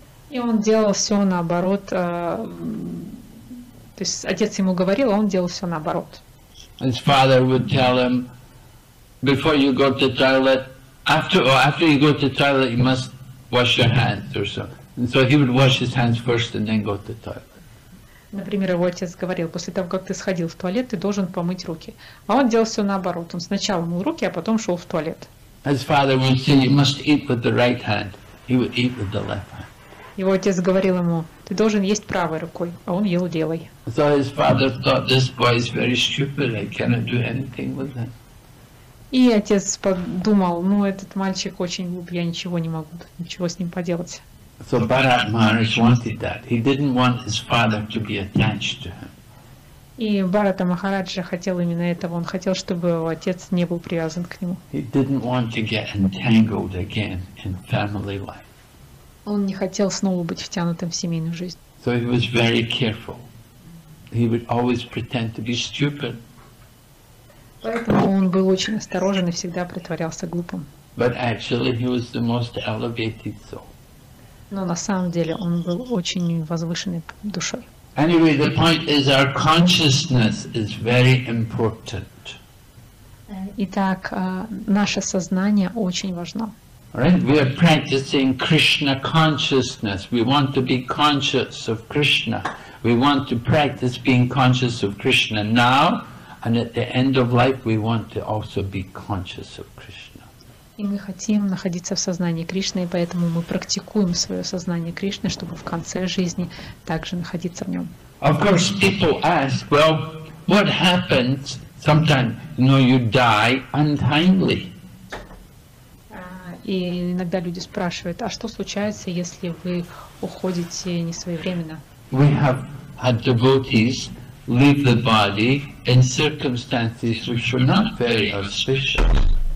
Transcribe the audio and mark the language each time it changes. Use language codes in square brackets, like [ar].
[ru] И он делал все наоборот, то есть отец ему говорил, а он делал все наоборот. [en] His father would tell him, before you go to toilet, after you go to toilet, you must wash your hands or so. And so he would wash his hands first and then go to toilet. [ru] Например, его отец говорил, после того, как ты сходил в туалет, ты должен помыть руки. А он делал все наоборот. Он сначала мыл руки, а потом шел в туалет. [en] His father would say, you must eat with the right hand. He would eat with the left hand. [ru] Его отец говорил ему, ты должен есть правой рукой, а он ел левой. [en] So his father thought, this boy is very stupid, I cannot do anything with him. [ru] И отец подумал, ну этот мальчик очень глуп, я ничего не могу, ничего с ним поделать. [en] So Bharat Maharaj wanted that. He didn't want his father to be attached to him. [ru] И Бхарата Махараджа хотел именно этого, он хотел, чтобы его отец не был привязан к нему. [en] He didn't want to get entangled again in family life. [ru] Он не хотел снова быть втянутым в семейную жизнь. [en] So he was very careful. He would always pretend to be stupid. [ru] Поэтому он был очень осторожен и всегда притворялся глупым. [en] But actually he was the most elevated soul. [ru] Но на самом деле он был очень возвышенной душой. [en] Anyway, the point is our consciousness is very important. [ru] Итак, наше сознание очень важно. [en] Right, we are practicing Krishna consciousness. We want to be conscious of Krishna. We want to practice being conscious of Krishna now, and at the end of life, we want to also be conscious of Krishna. [ru] И мы хотим находиться в сознании Кришны, и поэтому мы практикуем свое сознание Кришны, чтобы в конце жизни также находиться в нем. [en] Of course, people ask, well, what happens sometimes? You know, you die untimely. [ru] И иногда люди спрашивают, а что случается, если вы уходите не своевременно? [en] We have had devotees leave the body in circumstances which were not very auspicious.